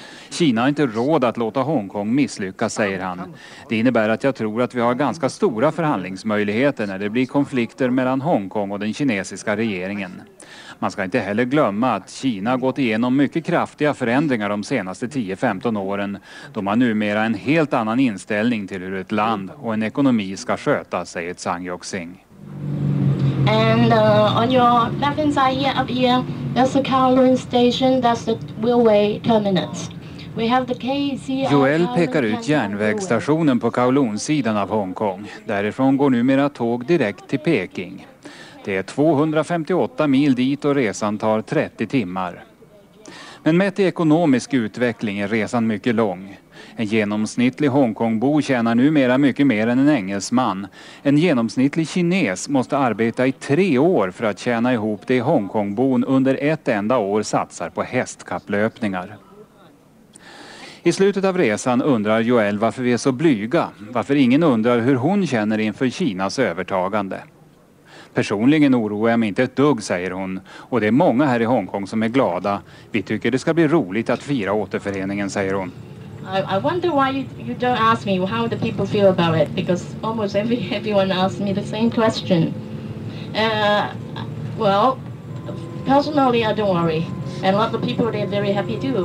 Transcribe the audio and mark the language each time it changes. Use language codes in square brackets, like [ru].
[sv] Kina har inte råd att låta Hongkong misslyckas, säger han. Det innebär att jag tror att vi har ganska stora förhandlingsmöjligheter när det blir konflikter mellan Hongkong och den kinesiska regeringen. Man ska inte heller glömma att Kina gått igenom mycket kraftiga förändringar de senaste 10-15 åren. De har numera en helt annan inställning till hur ett land och en ekonomi ska skötas, säger Zhang Yuxing. [en] And on your left-hand side here, up here, that's the Kowloon Station, that's the railway terminus. We have the KC. [sv] Joel pekar ut järnvägsstationen på Kowloon-sidan av Hongkong. Därifrån går numera tåg direkt till Peking. Det är 258 mil dit och resan tar 30 timmar. Men med till ekonomisk utveckling är resan mycket lång. En genomsnittlig Hongkongbo tjänar numera mycket mer än en engelsman. En genomsnittlig kines måste arbeta i 3 år för att tjäna ihop det Hongkongbon under ett enda år satsar på hästkapplöpningar. I slutet av resan undrar Joel varför vi är så blyga. Varför ingen undrar hur hon känner inför Kinas övertagande. Personligen oroar jag mig inte ett dugg, säger hon. Och det är många här i Hongkong som är glada. Vi tycker det ska bli roligt att fira återföreningen, säger hon. [en] I wonder why you don't ask me how the people feel about it, because almost everyone asks me the same question. Well, personally I don't worry. And a lot of people, they're very happy too.